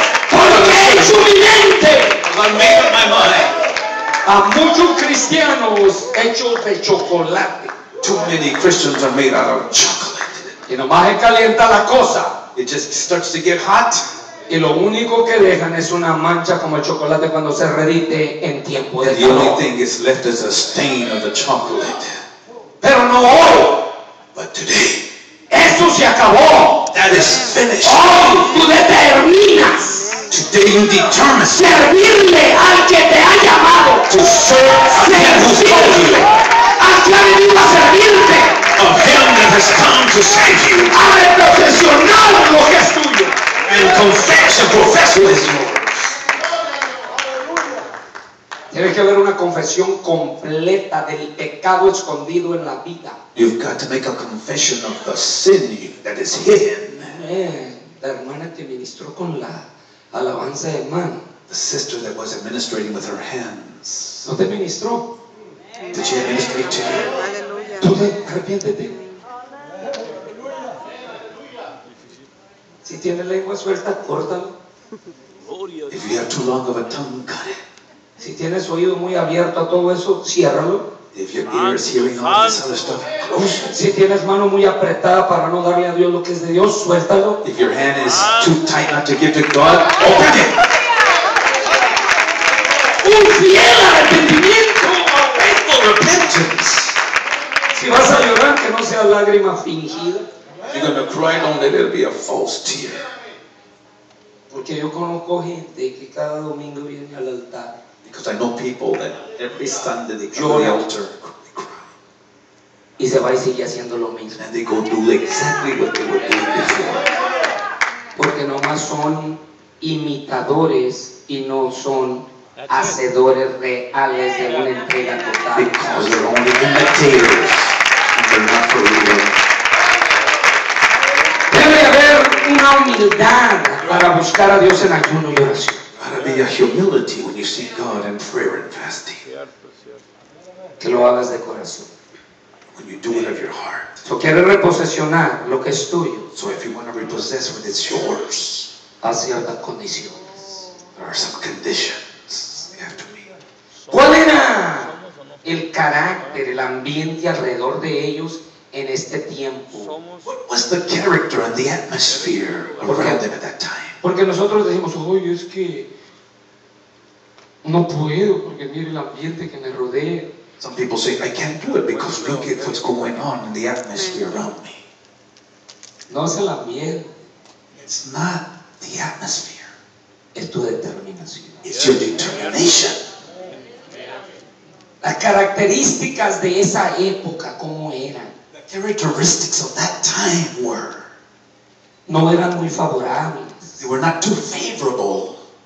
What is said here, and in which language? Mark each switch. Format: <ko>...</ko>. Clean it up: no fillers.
<es>Porque he hecho mi mente.</es> <en>I've made up my mind.</en> <es>A muchos cristianos hechos de chocolate.</es> <en>Too many Christians are made out of chocolate.</en> <es>Y nomás se calienta la cosa.</es> <en>It just starts to get hot.</en> <es>Y lo único que dejan es una mancha como el chocolate cuando se redite en tiempo de calor.</es> <en>The only thing is left is a stain of the chocolate.</en> <es>Pero no hoy.</es> <en>But today.</en> <es>Esto se acabó.</es> <en>That is finished.</en> <es>Hoy tú determinas.</es> <en>Today you determine</en> <es>servirle al que te ha llamado.</es> <en>To serve a him who called you.</en> <es>Al que ha venido a servirte.</es> <en>Of him that has come to save you.</en> <es>A reprofesionar lo que es tuyo.</es> <en>And confess and profess what is yours.</en> <es>Tiene que haber una confesión completa del pecado escondido en la vida.</es> <en>You've got to make a confession of the sin that is hidden.</en> <es>La hermana que ministró con la alabanza de mano.</es> <en>The sister that was administering with her hands.</en> <es>¿No te ministró?</es> <en>Did she administer to you?</en> <es>Tú arrepiéntete. Si tienes lengua suelta, córtalo.</es> <en>If you have too long of a tongue, cut it.</en> <es>Si tienes oído muy abierto a todo eso, ciérralo.</es> <en>If your ear is hearing all this other stuff, close.</en> <es>Si tienes mano muy apretada para no darle a Dios lo que es de Dios, suéltalo.</es> <en>If your hand is too tight not to give to God, open it.</en> <es>Un fiel arrepentimiento,</es> <en>a faithful repentance.</en> <es>Si vas a llorar, que no sea lágrima fingida.</es> <en>If you're going to cry, don't let it be a false tear.</en> <es>Porque yo conozco gente que cada domingo viene al altar.</es> <en>Because I know people that every Sunday they come to the altar</en> <es>y se va y sigue haciendo lo mismo.</es> <en>And they go do exactly what they were doing before.</en> <es>Porque nomás son imitadores y no son hacedores reales de una entrega total.</es> <en>Because they're only imitators and they're not for real.</en> <es>Debe haber una humildad para buscar a Dios en ayuno y oración.</es> <en>Be a humility when you seek God in prayer and fasting.</en> <es>Que lo hagas de corazón.</es> <en>When you do it of your heart.</en> <es>So, quieres reposesionar lo que es tuyo.</es> <en>So if you want to repossess what is yours,</en> <es>a ciertas condiciones.</es> <en>There are some conditions you have to meet.</en> <es>¿Cuál era el carácter, el ambiente alrededor de ellos en este tiempo?</es> <en>What was the character and the atmosphere around them at that time?</en> <es>Porque nosotros decimos, oye, es que no puedo porque mire el ambiente que me rodea.</es> <en>Some people say I can't do it because look at what's going on in the atmosphere around me.</en> <es>No es el ambiente.</es> <en>It's not the atmosphere.</en> <es>Es tu determinación.</es> <en>It's your determination.</en> <es>Las características de esa época, ¿cómo eran?</es> <en>The characteristics of that time were.</en> <es>No eran muy favorables.</es> <en>They were not too favorable.</en>